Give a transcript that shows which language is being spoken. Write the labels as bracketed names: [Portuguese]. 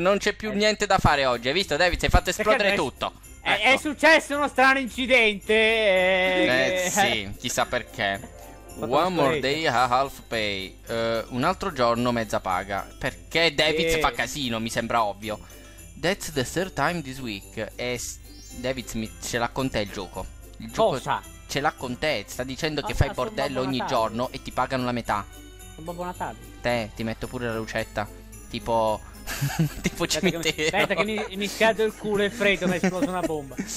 [Italian] Non c'è più niente da fare oggi, hai visto, David? Si è fatto esplodere tutto. Ecco. È successo uno strano incidente. Sì, chissà perché. [English] One more day, a half pay. [Italian] Un altro giorno, mezza paga. Perché David fa casino, mi sembra ovvio. [English] That's the third time this week. [Italian] David, ce l'ha con te il gioco. Il gioco cosa? Ce l'ha con te. Sta dicendo che fai bordello ogni giorno e ti pagano la metà. Sono Babbo Natale. Te, ti metto pure la lucetta. Tipo... tipo cimitero. Aspetta che mi scaldo il culo e freddo. Mi è esploso una bomba.